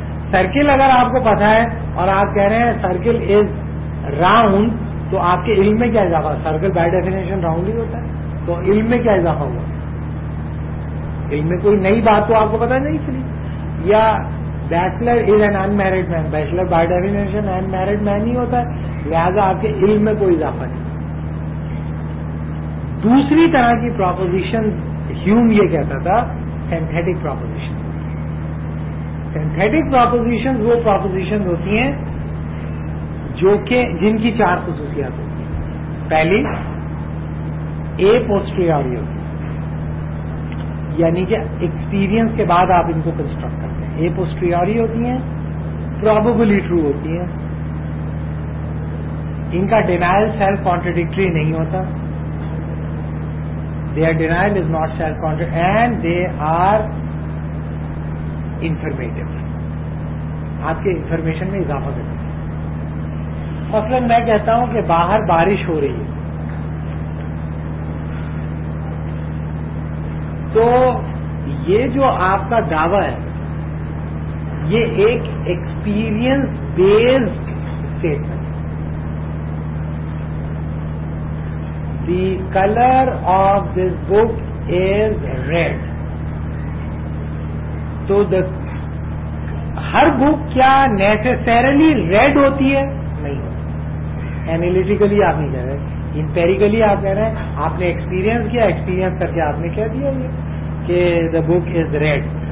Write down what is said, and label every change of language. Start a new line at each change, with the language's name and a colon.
Urdu: Circle اگر آپ کو پتا ہے اور آپ کہہ رہے ہیں
English: circle is round
Urdu: تو آپ کے علم میں کیا اضافہ؟
English: circle by definition round
Urdu: ہی ہوتا ہے, تو علم میں کیا اضافہ ہوا؟ علم میں کوئی نئی بات تو آپ کو پتا نہیں چلی. یا
English: bachelor is an unmarried man, bachelor by definition unmarried man
Urdu: ہی ہوتا ہے, لہذا آپ کے علم میں کوئی اضافہ نہیں. دوسری طرح کی پروپوزیشن ہیوم یہ کہتا تھا سینتھیٹک پروپوزیشن. سینتھیٹک پروپوزیشن وہ پروپوزیشن ہوتی ہیں جو کہ جن کی چار خصوصیات ہوتی ہیں. پہلی اے پوسٹریوری ہوتی ہے, یعنی کہ ایکسپیرینس کے بعد آپ ان کو کنسٹرکٹ کرتے ہیں. اے پوسٹریوری ہوتی ہیں, پروبیبلی ٹرو ہوتی ہیں, ان کا
English: denial self contradictory
Urdu: نہیں ہوتا.
English: Their denial is not self-contradictory and they are informative.
Urdu: آپ کے انفارمیشن میں اضافہ کرتے ہیں. مثلاً میں کہتا ہوں کہ باہر بارش ہو رہی ہے, تو یہ جو آپ کا دعویٰ ہے یہ ایک
English: Experience based statement. The color of this book is red.
Urdu: تو ہر بک کیا نیسسریلی ریڈ ہوتی ہے؟ نہیں ہوتی. اینالیٹیکلی آپ نہیں کہہ رہے, امپیریکلی آپ کہہ رہے ہیں. آپ نے ایکسپیرینس کیا, ایکسپیرینس کر کے آپ نے کہہ دیا یہ کہ
English: The book is red.